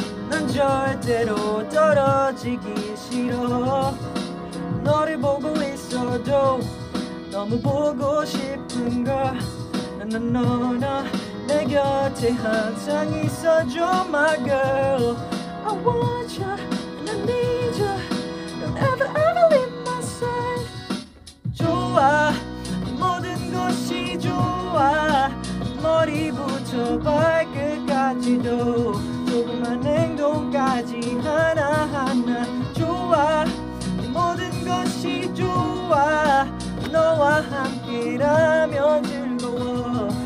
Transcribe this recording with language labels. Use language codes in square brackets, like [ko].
[ko] 난 절대로 떨어지기 싫어. 너를 보고 있어도 너무 보고 싶은 걸. 난 너나 내 곁에 항상 있어줘, [en] my girl. I want you and I need you. Don't ever ever leave my side. [ko] 좋아, 모든 것이 좋아. 머리부터 발끝까지도 조그만 행동까지 하나하나. 좋아, 모든 것이 좋아. 너와 함께라면 즐거워.